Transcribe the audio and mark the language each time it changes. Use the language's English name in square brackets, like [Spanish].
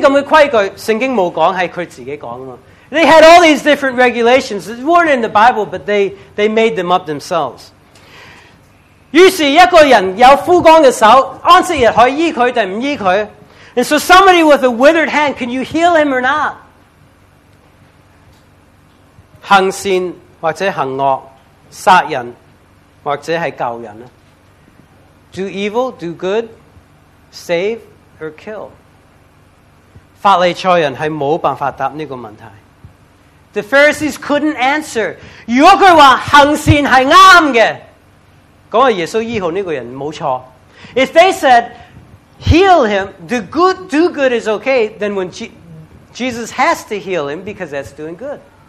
[Chinese] 他有很多這些規矩,聖經沒有說,是他自己說的。 [English] They had all these different regulations. It weren't in the Bible, but they made them up themselves. [Chinese] 於是一個人有枯乾的手,安息日可以醫他還是不醫他? [English] And so somebody with a withered hand, can you heal him or not? [Chinese] 行善或者行惡,殺人或者是救人? [English] Do evil, do good, save, or kill? [Chinese] 法利賽人是沒有辦法回答這個問題。 [English] The Pharisees couldn't answer. [Chinese] 如果他說行善是對的,說耶穌醫好這個人沒錯。 [English] If they said, heal him, do good is okay, then when Jesus has to heal him because that's doing good.